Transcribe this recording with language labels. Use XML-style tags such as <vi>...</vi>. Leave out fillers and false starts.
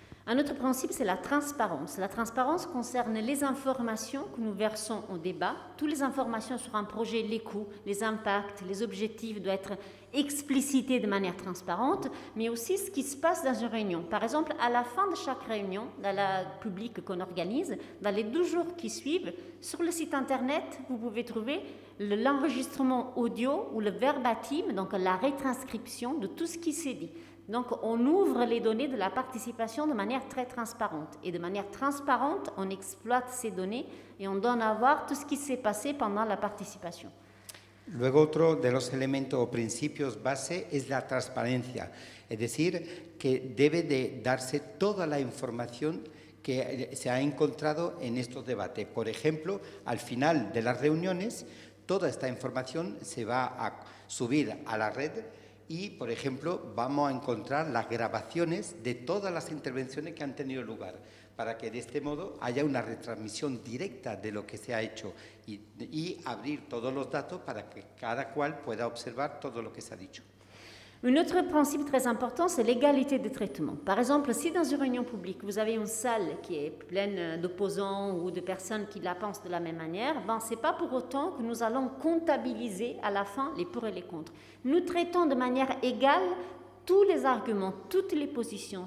<fr>Un autre principe, c'est la transparence. La transparence concerne les informations que nous versons au débat. Toutes les informations sur un projet, les coûts, les impacts, les objectifs doivent être explicités de manière transparente, mais aussi ce qui se passe dans une réunion. Par exemple, à la fin de chaque réunion, dans la publique qu'on organise, dans les 2 jours qui suivent, sur le site internet, vous pouvez trouver l'enregistrement audio ou le verbatim, donc la retranscription de tout ce qui s'est dit. Donc, on ouvre les données de la participation de manière très transparente. Et de manière transparente, on exploite ces données et on donne à voir tout ce qui s'est passé pendant la participation.</fr> <es>Luego, otro de los elementos o principios base es la transparencia. Es decir, que debe de darse toda la información que se ha encontrado en estos debates. Por ejemplo, al final de las reuniones, toda esta información se va a subir a la red. Y, por ejemplo, vamos a encontrar las grabaciones de todas las intervenciones que han tenido lugar para que de este modo haya una retransmisión directa de lo que se ha hecho y abrir todos los datos para que cada cual pueda observar todo lo que se ha dicho.</es> <fr>Un autre principe très important, c'est l'égalité de traitement. Par exemple, si dans une réunion publique, vous avez une salle qui est pleine d'opposants ou de personnes qui la pensent de la même manière, ben, ce n'est pas pour autant que nous allons comptabiliser à la fin les pour et les contre. Nous traitons de manière égale tous les arguments, toutes les positions.</fr>